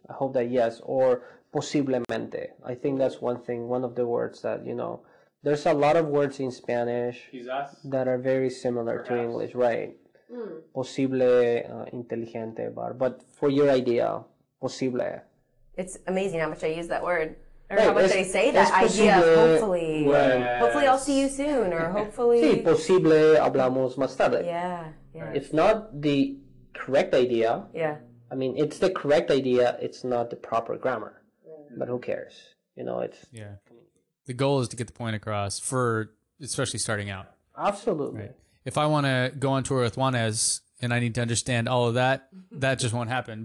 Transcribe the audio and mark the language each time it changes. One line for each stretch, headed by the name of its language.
English: I hope that yes, or posiblemente. I think that's one thing, one of the words that, you know, there's a lot of words in Spanish that are very similar to English, right? Mm. Posible, inteligente, but for your idea, posible. It's amazing how much I use that word. Or right, how much they say that posible, idea, hopefully. Yes. Hopefully I'll see you soon, or hopefully...
Spanish: Sí, posible hablamos más tarde.
English: Yeah. Yeah. It's not the correct idea. Yeah. I mean, it's the correct idea, it's not the proper grammar. But who cares? You know, it's... Yeah. The goal is to get the point across for especially starting out. Absolutely. Right. If I want to go on tour with Juanes and I need to understand all of that, that just won't happen.